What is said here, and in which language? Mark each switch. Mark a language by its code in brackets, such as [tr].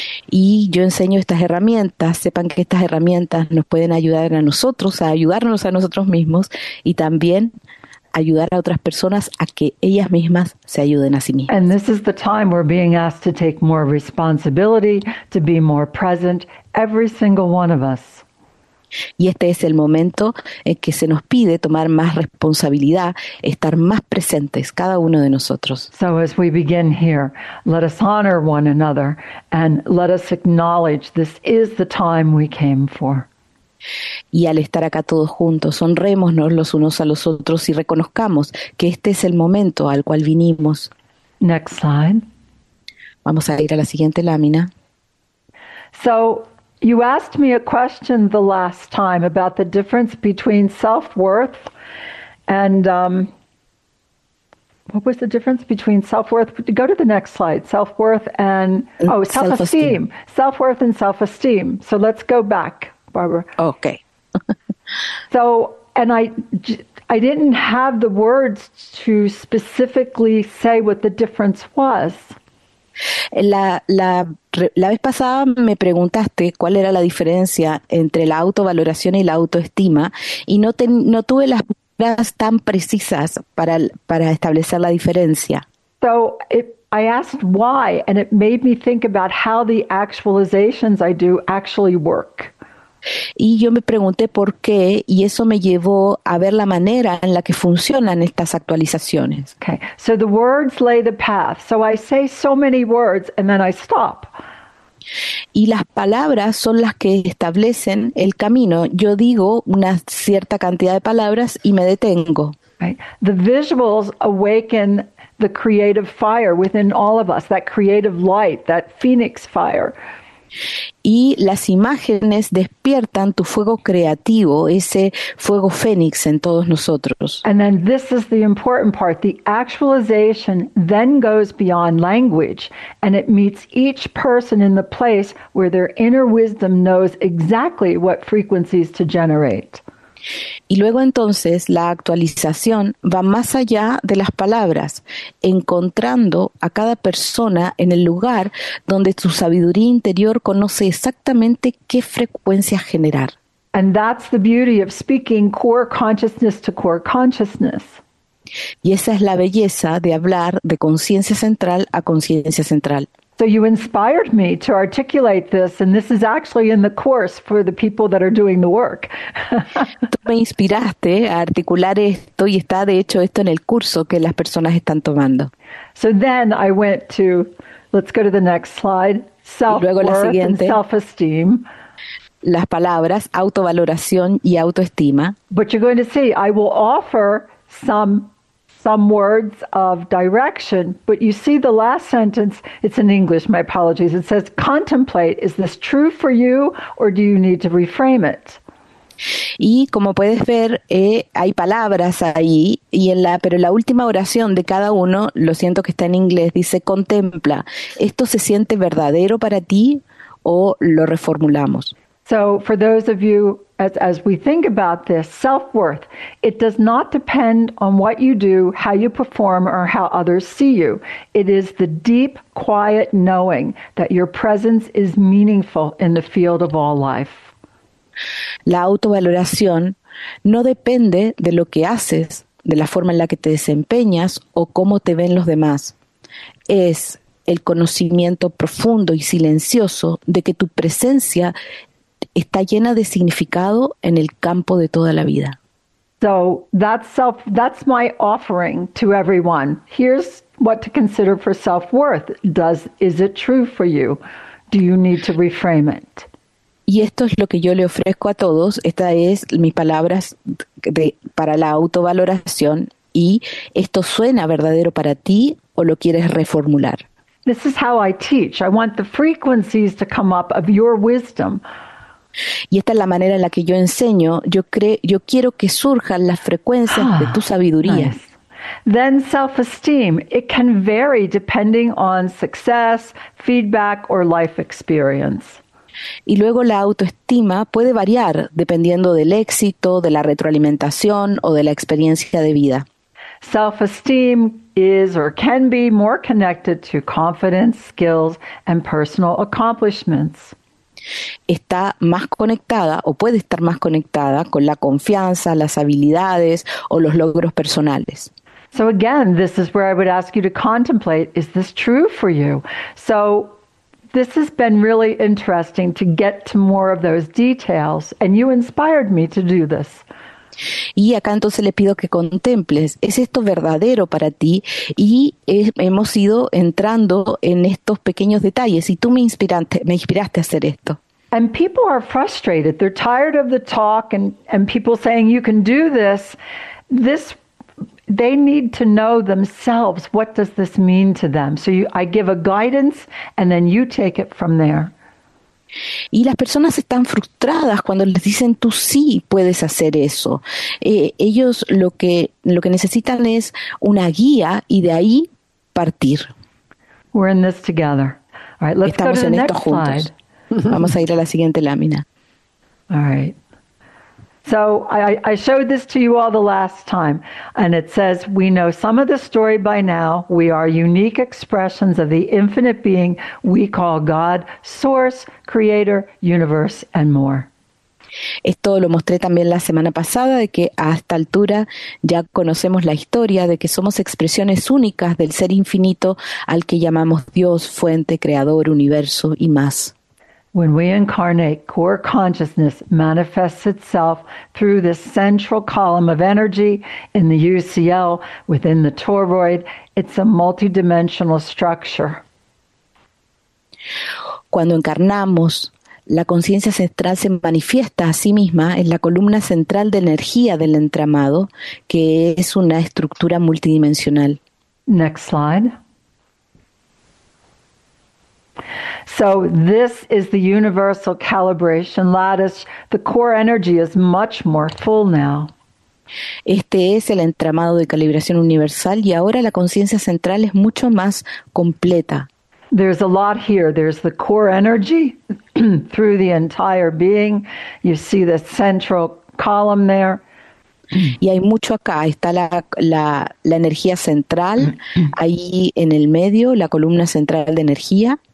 [es] Y yo enseño estas herramientas, sepan que estas herramientas nos pueden ayudar a nosotros, a ayudarnos a nosotros mismos y también ayudar a otras personas a que ellas mismas se ayuden a sí mismas. [en] And this is the time we're being asked to take more responsibility, to be more present, every single one of us. [es] Y este es el momento en que se nos pide tomar más responsabilidad, estar más presentes, cada uno de nosotros. [en] So as we begin here, let us honor one another and let us acknowledge this is the time we came for. [es] Y al estar acá todos juntos, honrémonos los unos a los otros y reconozcamos que este es el momento al cual vinimos. [en] Next slide. [es] Vamos a ir a la siguiente lámina. [en] So, you asked me a question the last time about the difference between self-worth and what was the difference between self-worth? Go to the next slide. Self-worth and self-esteem. Self-worth and self-esteem. So let's go back, Barbara. Okay. So, and I didn't have the words to specifically say what the difference was. [es] La vez pasada me preguntaste cuál era la diferencia entre la autovaloración y la autoestima y no tuve las palabras tan precisas para establecer la diferencia. [en] So I asked why, and it made me think about how the actualizations I do actually work. [es] Y yo me pregunté por qué, y eso me llevó a ver la manera en la que funcionan estas actualizaciones. [en] Okay, so the words lay the path. So I say so many words, and then I stop. [es] Y las palabras son las que establecen el camino. Yo digo una cierta cantidad de palabras y me detengo. [en] Right. The visuals awaken the creative fire within all of us, that creative light, that phoenix fire. [es] Y las imágenes despiertan tu fuego creativo, ese fuego fénix en todos nosotros. [en] And then this is the important part. The actualization then goes beyond language and it meets each person in the place where their inner wisdom knows exactly what frequencies to generate. [es] Y luego entonces la actualización va más allá de las palabras, encontrando a cada persona en el lugar donde su sabiduría interior conoce exactamente qué frecuencia generar. [en] And that's the beauty of speaking core consciousness to core consciousness. [es] Y esa es la belleza de hablar de conciencia central a conciencia central. [en] So you inspired me to articulate this, and this is actually in the course for the people that are doing the work. [es] Tú me inspiraste a articular esto y está de hecho esto en el curso que las personas están tomando. [en] So then I went to, let's go to the next slide, self-worth and self-esteem. [es] Las palabras, autovaloración y autoestima. [en] But you're going to see, I will offer some words of direction, but you see the last sentence, it's in English, my apologies. It says, contemplate, is this true for you or do you need to reframe it? [es] Y como puedes ver, hay palabras ahí, y en pero la última oración de cada uno, lo siento que está en inglés, dice, contempla, ¿esto se siente verdadero para ti o lo reformulamos? [en] So for those of you, as we think about this, self-worth, it does not depend on what you do, how you perform, or how others see you. It is the deep, quiet knowing that your presence is meaningful in the field of all life. [es] La autovaloración no depende de lo que haces, de la forma en la que te desempeñas, o cómo te ven los demás. Es el conocimiento profundo y silencioso de que tu presencia está llena de significado en el campo de toda la vida. [en] So that's my offering to everyone. Here's what to consider for self-worth. Is it true for you? Do you need to reframe it? [es] Y esto es lo que yo le ofrezco a todos. Esta es mis palabras para la autovaloración. Y esto suena verdadero para ti o lo quieres reformular. [en] This is how I teach. I want the frequencies to come up of your wisdom. [es] Y esta es la manera en la que yo enseño. Yo quiero que surjan las frecuencias de tu sabiduría. [en] Nice. Then self-esteem. It can vary depending on success, feedback, or life experience. [es] Y luego la autoestima puede variar dependiendo del éxito, de la retroalimentación o de la experiencia de vida. [en] Self-esteem is or can be more connected to confidence, skills, and personal accomplishments. [es] Está más conectada o puede estar más conectada con la confianza, las habilidades o los logros personales. [en] So again, this is where I would ask you to contemplate, is this true for you? So this has been really interesting to get to more of those details, and you inspired me to do this. [es] Y acá entonces le pido que contemples, ¿es esto verdadero para ti? Y hemos ido entrando en estos pequeños detalles y tú me inspiraste a hacer esto. [en] And people are frustrated, they're tired of the talk and people saying you can do this. This, they need to know themselves, what does this mean to them? So I give a guidance and then you take it from there. [es] Y las personas están frustradas cuando les dicen tú sí puedes hacer eso. Ellos lo que necesitan es una guía y de ahí partir. [en] We're in this together. All right, let's [es] Estamos [en] go to [es] en [en] the [es] esto [en] next [es] juntos. [en] Slide. [es] Vamos a ir a la siguiente lámina. [en] All right. So I showed this to you all the last time, and it says we know some of the story by now. We are unique expressions of the infinite being we call God, Source, Creator, Universe, and more. [es] Esto lo mostré también la semana pasada, de que a esta altura ya conocemos la historia de que somos expresiones únicas del ser infinito al que llamamos Dios, Fuente, Creador, Universo y más. [en] When we incarnate, core consciousness manifests itself through this central column of energy in the UCL within the toroid. It's a multidimensional structure. [es] Cuando encarnamos, la conciencia central se manifiesta a sí misma en la columna central de energía del entramado, que es una estructura multidimensional. [en] Next slide. So this is the universal calibration lattice. The core energy is much more full now. [es] Este es el entramado de calibración universal y ahora la conciencia central es mucho más completa. [en] There's a lot here. There's the core energy through the entire being. You see the central column there. [es] Y hay mucho acá. Está la energía central ahí en el medio, la columna central de energía.